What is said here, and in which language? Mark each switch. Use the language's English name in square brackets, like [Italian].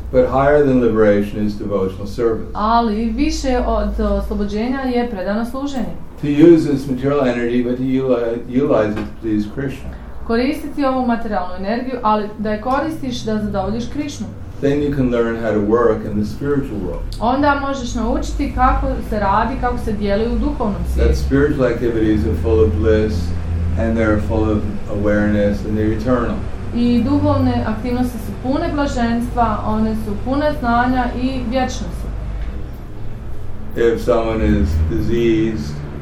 [English] But higher than liberation is devotional service. [Bosnian] Ali više od oslobođenja je predano služenje. [English] To use this material energy, but to utilize it to please Krishna. [Bosnian] Koristiti ovu materijalnu energiju, ali da je koristiš da zadovoljiš Krishnu. [English] Then you can learn how to work in the spiritual world. [Bosnian] Onda možeš naučiti kako se radi, kako se djeluje u duhovnom svijetu. [English] That spiritual activities are full of bliss, and they're full of awareness, and they're eternal. [Bosnian] I duhovne aktivnosti su pune blaženstva, one su pune znanja i vječnosti. [English] If someone is diseased,